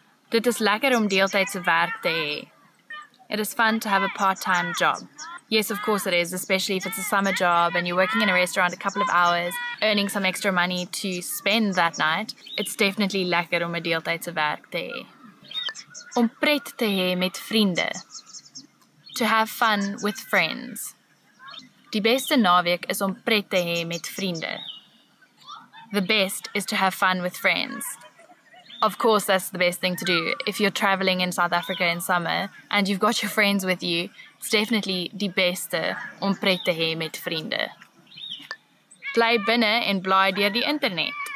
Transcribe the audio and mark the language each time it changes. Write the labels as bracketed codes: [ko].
[af] Dit is lekker om deeltyd te werk daar. [en] It is fun to have a part-time job. Yes, of course it is, especially if it's a summer job and you're working in a restaurant a couple of hours, earning some extra money to spend that night. It's definitely [af] lekker om 'n deeltyd se werk te hê. Om pret te hê met vriende. [en] To have fun with friends. [af] Die beste naweek is om pret te hê met vriende. [en] The best is to have fun with friends. Of course, that's the best thing to do. If you're traveling in South Africa in summer and you've got your friends with you, it's definitely [af] die beste om pret te hê met vriende. Bly binne en blaai deur die internet.